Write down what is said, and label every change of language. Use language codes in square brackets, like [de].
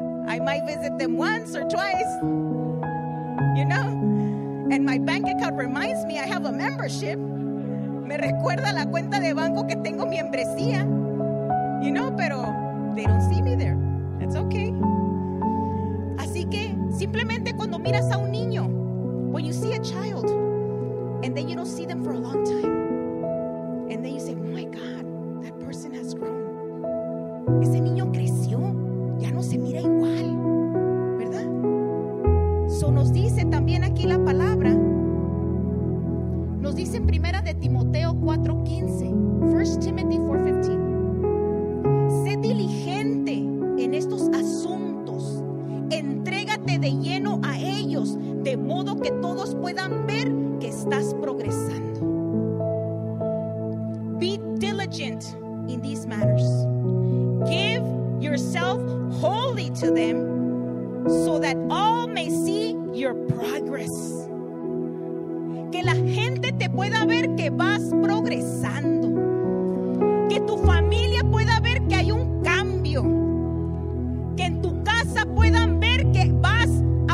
[en] I might visit them once or twice, you know? And my bank account reminds me I have a membership. [es] Me recuerda la cuenta de banco que tengo mi membresía. [en] You know, pero they don't see me there. It's okay. [es] Así que simplemente cuando miras a un niño, [en] when you see a child and then you don't see them for a long time and then you say, oh my God, that person has grown. [es] Ese niño creció, ya no se mira igual, ¿verdad? So nos dice también aquí la palabra, nos dice en primera de Timoteo 4:15, 1 Timothy 4:15, sé diligente en estos asuntos. Entrégate de lleno a ellos, de modo que todos puedan ver que estás progresando. [en] Be diligent in these matters. Give yourself wholly to them, so that all may see your progress. [es] Que la gente te pueda ver que vas progresando. Que tu familia pueda ver que hay un cambio. Que en tu casa puedan ver que vas progresando.